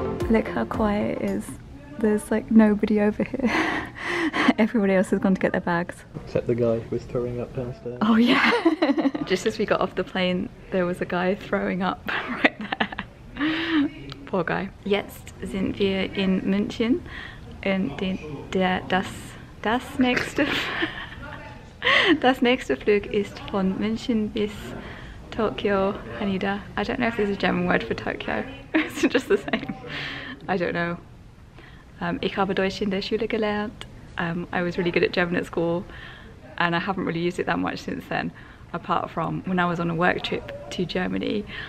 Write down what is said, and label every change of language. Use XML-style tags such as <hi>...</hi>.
<en>Look how quiet it is. There's like nobody over here. Everybody else has gone to get their bags. Except the guy who was throwing up downstairs. Oh yeah. Just as we got off the plane, there was a guy throwing up right there. Poor guy.</en> <de>Jetzt sind wir in München. Und das nächste Flug ist von München bis Tokyo Haneda.</de> <en>I don't know if there's a German word for Tokyo. It's just the same. I don't know.</en> <de>Ich habe Deutsch in der Schule gelernt.</de> <en>I was really good at German at school and I haven't really used it that much since then, apart from when I was on a work trip to Germany.</en>